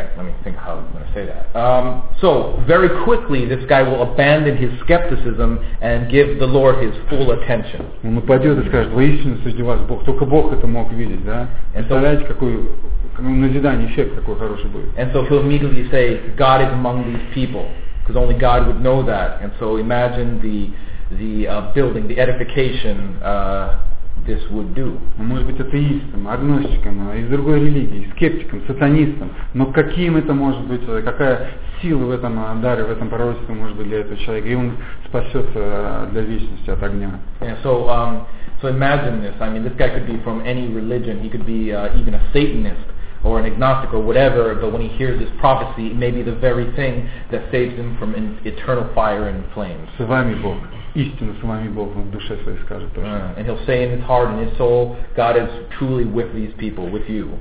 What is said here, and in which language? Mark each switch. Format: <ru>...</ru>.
<en>Let me think how I'm going to say that. So very quickly, this guy will abandon his skepticism and give the Lord his full attention.</en> <ru>Он упадет и скажет: «Воистину среди вас Бог, только Бог это мог видеть, да?» Представляете, какой назидание, эффект такой хороший будет.</ru> <en>And so he'll immediately say, "God is among these people, because only God would know that." And so imagine the building, the edification. This would do.</en> <ru>Может быть атеистом, агностиком, из другой религии, скептиком, сатанистом. Но каким это может быть, какая сила в этом даре, в этом пророчестве может быть для этого человека, и он спасется для вечности от огня.</ru> <en>Yeah, so imagine this. I mean, this guy could be from any religion. He could be even a Satanist or an agnostic or whatever. But when he hears this prophecy, it may be the very thing that saves him from eternal fire and flames.</en> <ru>С вами Бог. Истинно с вами Бог, он в душе своей скажет то, что.</ru> <en>And he'll say in his heart and his soul, God is truly with these people, with you.</en>